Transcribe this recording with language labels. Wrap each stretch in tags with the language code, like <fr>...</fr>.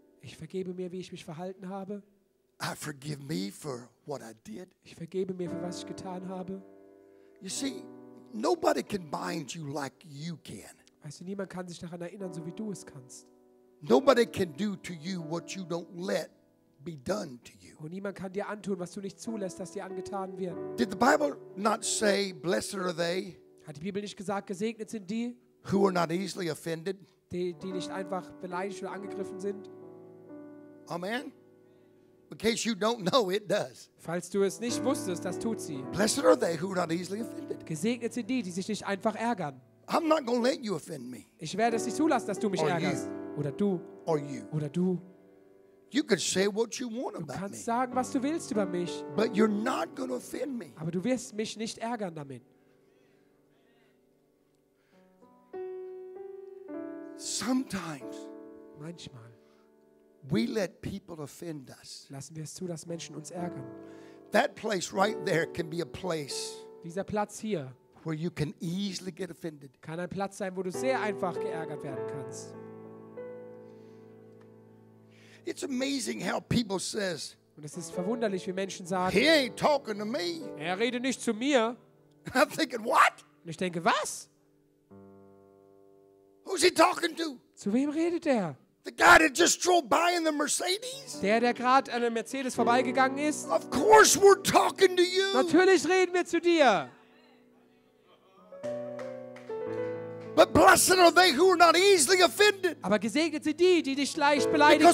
<de>Ich vergebe mir, wie ich mich verhalten habe.</de> <en>I forgive me for what I did.</en> <de>Ich vergebe mir für was ich getan habe.</de> <en>You see, nobody can bind you like you can.</en> <de>Weißt du, niemand kann sich daran erinnern, so wie du es kannst.</de> <en>Nobody can do to you what you don't let be done to you.</en> <de>Und niemand kann dir antun, was du nicht zulässt, dass dir angetan wird.</de> <en>Did the Bible not say, blessed are they?</en> <de>Hat die Bibel nicht gesagt, gesegnet sind die?</de> <en>Who are not easily offended?</en> <de>Die nicht einfach beleidigt oder angegriffen sind.</de> <en>Amen. In case you don't know, it does.</en> <de>Falls du es nicht wusstest, das tut sie.</de> <en>Blessed are they who are not easily offended.</en> <de>Gesegnet sind die sich nicht einfach ärgern.</de> <en>I'm not going to let you offend me.</en> <de>Ich werde es nicht zulassen, dass du mich</de> <en>or</en> <de>ärgerst.</de> <en>You.</en> <de>Oder du.</de> <en>Or you.</en> <de>Oder du.</de> <en>You could say what you want about me.</en> <de>Du kannst sagen, was du willst über mich.</de> <en>But you're not going to offend me.</en> <de>Aber du wirst mich nicht ärgern damit.</de> <en>Sometimes.</en> <de>Manchmal.</de> <en>We let people offend us.</en> <de>Lassen wir es zu, dass Menschen uns ärgern.</de> <en>That place right there can be a place.</en> <de>Dieser Platz hier.</de> <en>Where you can easily get offended.</en> <de>Kann ein Platz sein, wo du sehr einfach geärgert werden kannst.</de> <en>It's amazing how people says.</en> <de>Und es ist verwunderlich, wie Menschen sagen.</de> <en>He ain't talking to me.</en> <de>Er redet nicht zu mir.</de> <en>I'm thinking what?</en> <de>Und ich denke, was?</de> <en>Who's he talking to?</en> <de>Zu wem redet er?</de> <en>The guy that just drove by in the Mercedes?</en> <de>Der gerade an einem Mercedes vorbeigegangen ist?</de> <en>Of course we're talking to you.</en> <de>Natürlich reden wir zu dir.</de> <en>But blessed are they who are not easily offended.</en> <de>Aber gesegnet sind die, die dich leicht beleidigt</de>